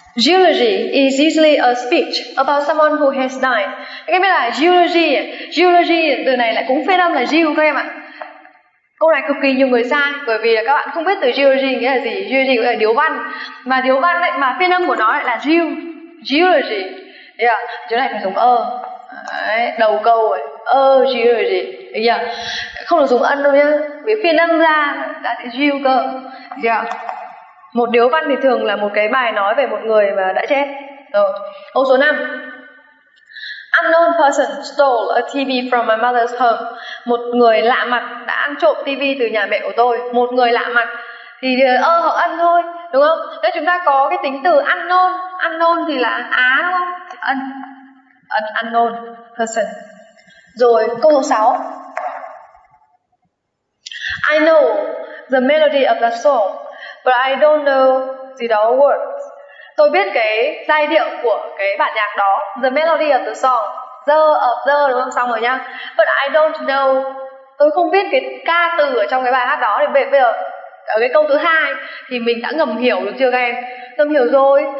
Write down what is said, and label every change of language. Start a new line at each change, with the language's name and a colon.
English: Eulogy is usually a speech about someone who has died.
Vietnamese: Các em biết là eulogy, eulogy từ này lại cũng phiên âm là eulogy các em ạ. Câu này cực kỳ nhiều người sai, bởi vì các bạn không biết từ eulogy nghĩa là gì. Eulogy nghĩa là điếu văn, mà điếu văn ấy, mà phiên âm của nó lại là eulogy. Yeah, chỗ này phải dùng ơ, đầu câu ấy, ơ eulogy. Yeah, không được dùng ân đâu nhá, vì phiên âm ra là eulogy. Yeah. Một điếu văn thì thường là một cái bài nói về một người mà đã chết. Rồi, câu số 5.
English: Unknown person stole a TV from my mother's home.
Vietnamese: Một người lạ mặt đã ăn trộm TV từ nhà mẹ của tôi. Một người lạ mặt thì ơ họ ân thôi, đúng không? Nếu chúng ta có cái tính từ unknown, unknown thì là á đúng không? Ân, ân unknown person. Rồi, câu số 6.
English: I know the melody of the song, but I don't know the words.
Vietnamese: Tôi biết cái giai điệu của cái bản nhạc đó,
English: the melody of the song,
Vietnamese: the of the, đúng không? Xong rồi nhá.
English: But I don't know,
Vietnamese: tôi không biết cái ca từ ở trong cái bài hát đó. Thì bây giờ ở cái câu thứ hai thì mình đã ngầm hiểu được chưa các em? Ngầm hiểu rồi.